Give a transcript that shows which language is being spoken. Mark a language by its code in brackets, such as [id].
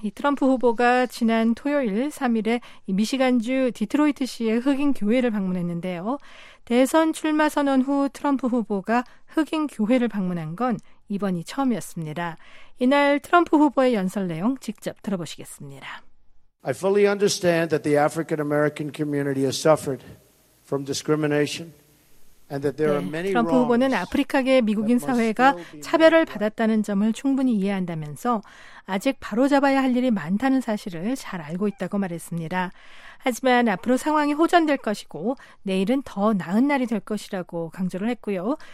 [ko] 이 트럼프 후보가 지난 토요일 3일에 미시간주 디트로이트시의 흑인 교회를 방문했는데요. 대선 출마 선언 후 트럼프 후보가 흑인 교회를 방문한 건 이번이 처음이었습니다. 이날 트럼프 후보의 연설 내용 직접 들어보시겠습니다. [en] I fully understand that the African American community has suffered from discrimination. [ko] 네, 트럼프 후보는 아프리카계 미국인 사회가 차별을 받았다는 점을 충분히 이해한다면서 아직 바로잡아야 할 일이 많다는 사실을 잘 알고 있다고 말했습니다. 하지만 앞으로 상황이 호전될 것이고 내일은 더 나은 날이 될 것이라고 강조를 했고요.